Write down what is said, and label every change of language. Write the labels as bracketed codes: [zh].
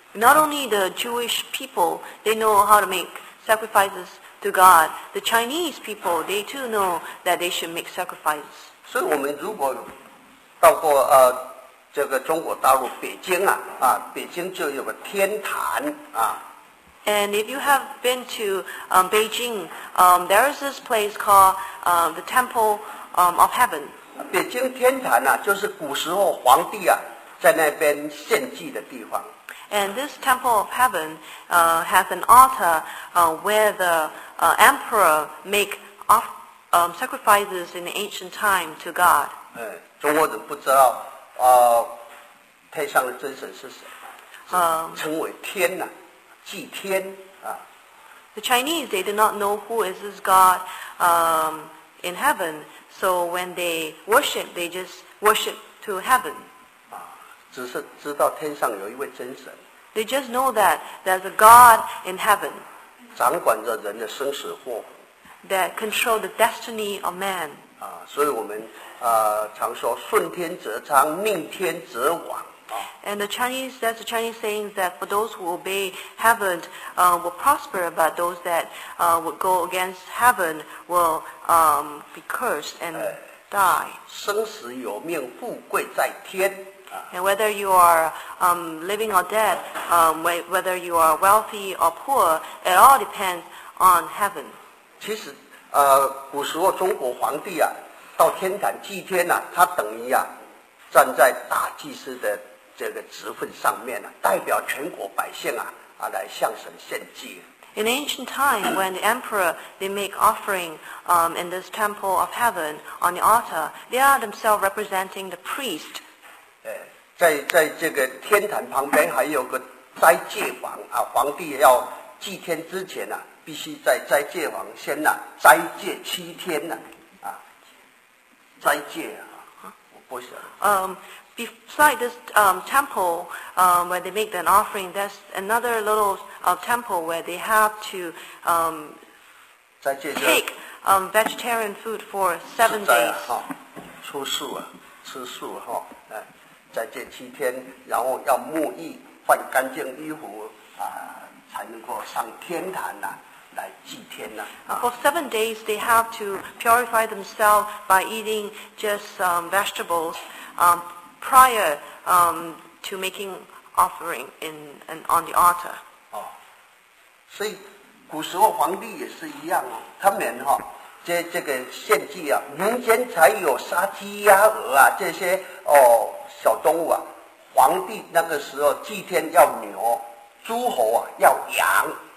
[en] Not only the Jewish people they know how to make sacrifices to God, the Chinese people they too know that they should make sacrifices. [zh] 所以我们如果到过这个中国大陆北京啊，啊，北京就有个天坛啊。 [en] And if you have been to Beijing, there is this place called the Temple of Heaven. [zh] 北京天坛啊，就是古时候皇帝啊在那边献祭的地方。 [en] And this Temple of Heaven has an altar where the emperor make sacrifices in ancient time to God. [zh] 中国人不知道。太上的真神是谁？称为天呐、祭天啊。 [en] The Chinese they do not know who is this God, in heaven. So when they worship, they just worship to heaven. [zh] 啊，只是知道天上有一位真神。 [en] They just know that there's a God in heaven. [zh] 掌管着人的生死祸福。 [en] That control the destiny of man. [zh] 啊，所以我们。常说顺天则昌，逆天则亡。 [en] And the Chinese, that's the Chinese saying that for those who obey heaven, will prosper, but those that would go against heaven will be cursed and die. [zh] 生死有命，富贵在天。 [en] And whether you are living or dead, whether you are wealthy or poor, it all depends on heaven. [zh] 其实，古时候中国皇帝啊。到天坛祭天呐、他等于站在大祭司的这个职份上面呐、代表全国百姓来向神献祭。 [en] In ancient time, when the emperor they make offering in this temple of heaven on the altar, they are themselves representing the priest. [zh] 在这个天坛旁边还有个斋戒王皇帝要祭天之前必须在斋戒王先呢、啊，斋戒七天呢、啊，啊，斋戒啊，我不晓得。 [en] Beside this temple, when they make an offering, there's another little temple where they have to take vegetarian food for 7 days. [zh] 初四啊，吃素哈，斋戒七天，然后要沐浴，换干净衣服啊，才能够上天坛呐、啊。 [en] For 7 days, they have to purify themselves by eating just vegetables prior to making offering on the altar. [zh] 所以古时候皇帝也是一样啊，他们哈、哦、这个献祭啊，民间才有杀鸡鸭鹅啊这些哦小动物啊，皇帝那个时候祭天要牛，诸侯啊要羊。